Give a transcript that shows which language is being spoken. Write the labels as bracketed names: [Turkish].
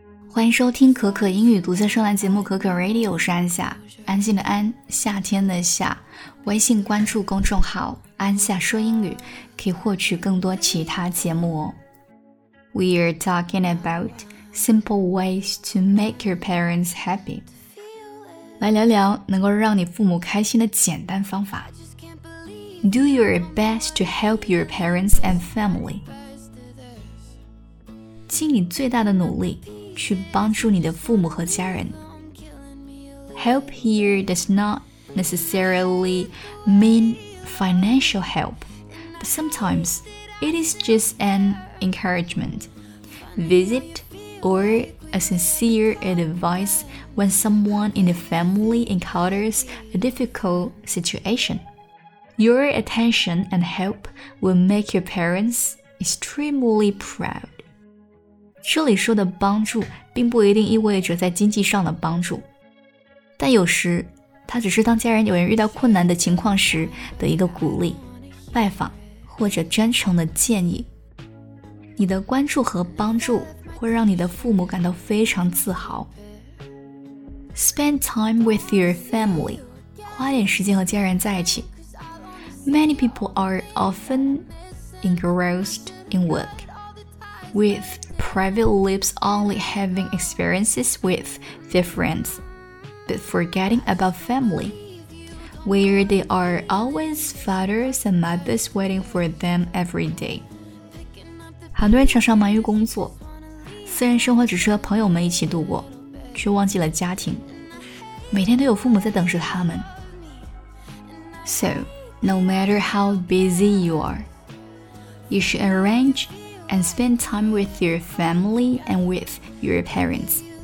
[Chinese] 欢迎收听可可英语独家专栏节目可可 Radio， 我是安夏，安静的安，夏天的夏。微信关注公众号安夏说英语，可以获取更多其他节目哦。 [English] We are talking about simple ways to make your parents happy。 [Chinese] 来聊聊能够让你父母开心的简单方法。 [English] Do your best to help your parents and family。 [Chinese] 尽你最大的努力去帮助你的父母和家人。 [English] Help here does not necessarily mean financial help, but sometimes it is just an encouragement, visit, or a sincere advice when someone in the family encounters a difficult situation. Your attention and help will make your parents extremely proud. [Chinese] 这里说的帮助并不一定意味着在经济上的帮助，但有时它只是当家人有人遇到困难的情况时的一个鼓励、拜访或者真诚的建议。你的关注和帮助会让你的父母感到非常自豪。 [English] Spend time with your family， [Chinese] 花点时间和家人在一起。 [English] Many people are often engrossed in work withprivate lives only having experiences with their friends, but forgetting about family, where there are always fathers and mothers waiting for them every day. [Chinese] 很多人常常忙于工作，私人生活只是和朋友们一起度过，却忘记了家庭，每天都有父母在等着他们。 [English] So, no matter how busy you are, you should arrangeand spend time with your family and with your parents.